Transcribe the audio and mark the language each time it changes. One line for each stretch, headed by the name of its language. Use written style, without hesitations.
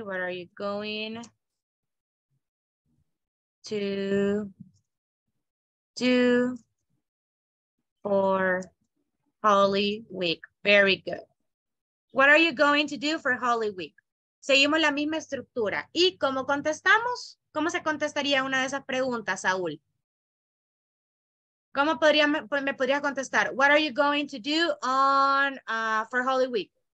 English: What are you going to do for Holy Week? Very good. What are you going to do for Holy Week?
Spanish: Seguimos la misma estructura. ¿Y cómo contestamos? ¿Cómo se contestaría una de esas preguntas, Saúl? ¿Cómo podría, me podrías contestar?
English: What are you going to do on for Holy Week?